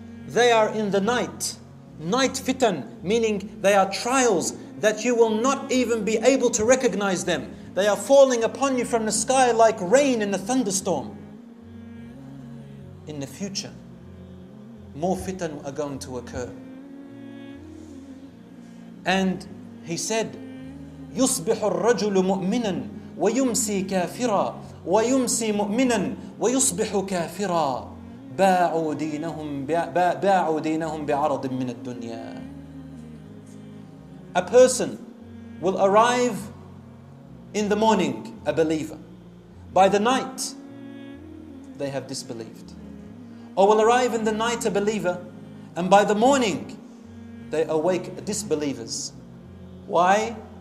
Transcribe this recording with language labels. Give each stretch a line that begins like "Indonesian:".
English: They are in the night. Night fitan, meaning they are trials that you will not even be able to recognize them. They are falling upon you from the sky like rain in a thunderstorm. In the future, more fitan are going to occur.
Arabic: And he said, يُصْبِحُ الرَّجُلُ مُؤْمِنًا وَيُمْسِي كَافِرًا وَيُمْسِي مُؤْمِنًا وَيُصْبِحُ كَافِرًا بَاعُوا دِينَهُمْ بِعَرَضٍ مِّنَ الدُّنْيَا.
English: A person will arrive in the morning, a believer. By the night, they have disbelieved. Or will arrive in the night, a believer, and by the morning, they awake disbelievers. Why?